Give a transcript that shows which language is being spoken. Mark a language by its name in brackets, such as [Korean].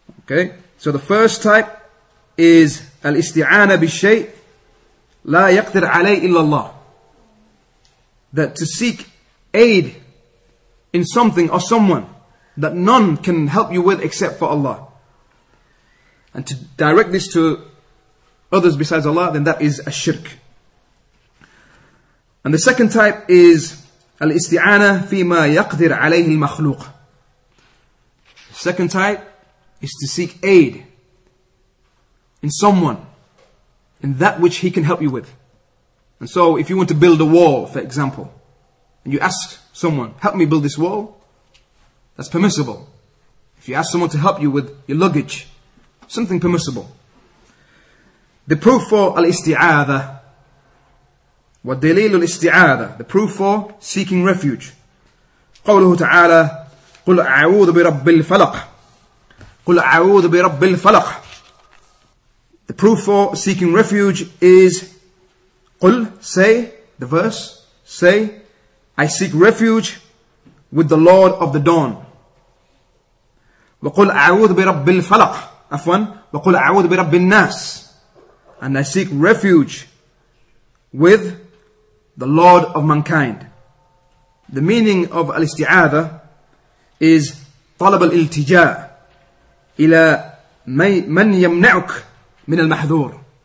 [English] Okay, so the first type is [Arabic] الْإِسْتِعَانَ بِالشَّيْءِ لا يقدر عليه إلا الله. [English] That to seek aid in something or someone that none can help you with except for Allah. And to direct this to others besides Allah, then that is a shirk. And the second type is [Arabic] الاستعانة فيما يقدر عليه المخلوق. [English] The second type is to seek aid in someone, in that which He can help you with. And so if you want to build a wall, for example, and you ask someone, help me build this wall, that's permissible. If you ask someone to help you with your luggage, something permissible. The proof for al-isti'adha, wa dalil al-isti'adha, the proof for seeking refuge. [Arabic] قوله تعالى, قل أعوذ برب الفلق. قل أعوذ برب الفلق. [English] The proof for seeking refuge is قل, say, the verse, say, I seek refuge with the Lord of the Dawn. [Arabic] وقل أعوذ برب الفلق, عفوا, وقل أعوذ برب الناس, [English] and I seek refuge with the Lord of mankind. The meaning of al-isti'adha is [Arabic] طلب الالتجاء إلى من يمنعك من المحذور.